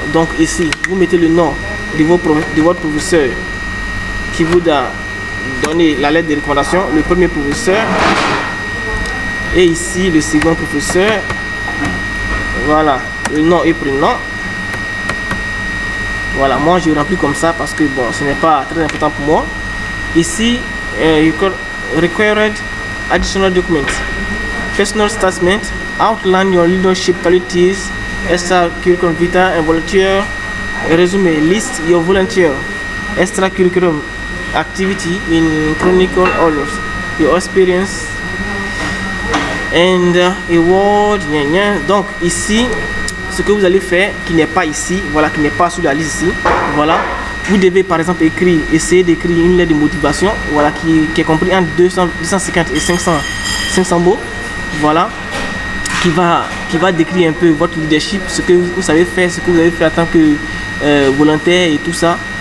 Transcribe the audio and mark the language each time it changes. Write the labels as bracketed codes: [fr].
[fr] Donc ici vous mettez le nom de votre professeur qui vous a donné la lettre de recommandation, le premier professeur, et ici le second professeur, voilà, le nom et prénom. Voilà, moi je remplis comme ça parce que bon, ce n'est pas très important pour moi. [en] Ici, you required additional documents, personal statement, outline your leadership qualities, extracurricular vita and volunteer, resume, list your volunteer, extracurricular activity in chronicle orders, your experience, and award. [fr] Donc ici, ce que vous allez faire, qui n'est pas ici, voilà, qui n'est pas sur la liste ici, voilà. Vous devez par exemple essayer d'écrire une lettre de motivation, voilà, qui est compris entre 250 et 500 mots, voilà, qui va décrire un peu votre leadership, ce que vous savez faire, ce que vous avez fait en tant que volontaire et tout ça.